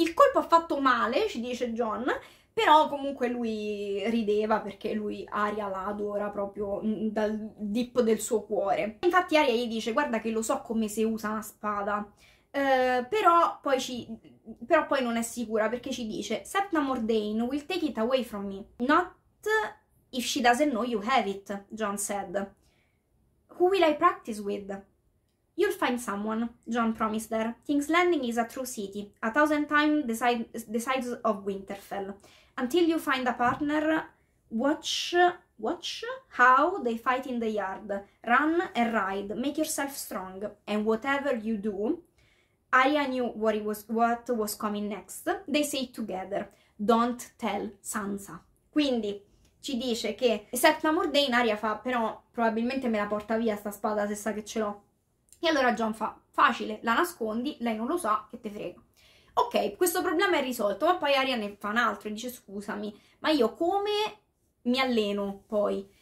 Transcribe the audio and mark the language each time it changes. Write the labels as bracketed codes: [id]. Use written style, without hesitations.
[it] Il colpo ha fatto male, ci dice John. Però comunque lui rideva perché lui Arya la adora proprio dal deep del suo cuore. Infatti Arya gli dice: guarda che lo so come si usa una spada, però poi non è sicura perché ci dice: [en] Septa Mordain will take it away from me. Not if she doesn't know you have it, John said. Who will I practice with? You'll find someone, John promised her. King's Landing is a true city, a thousand times the size of Winterfell. Until you find a partner, watch how they fight in the yard. Run and ride, make yourself strong. And whatever you do, Arya knew what was coming next. They say it together. Don't tell Sansa. [it] Quindi ci dice che Septa Mordain, Arya fa: però probabilmente me la porta via sta spada se sa che ce l'ho. E allora John fa, facile, la nascondi, lei non lo sa, che te frega. Ok, questo problema è risolto, ma poi Arya ne fa un altro e dice, scusami, ma io come mi alleno poi?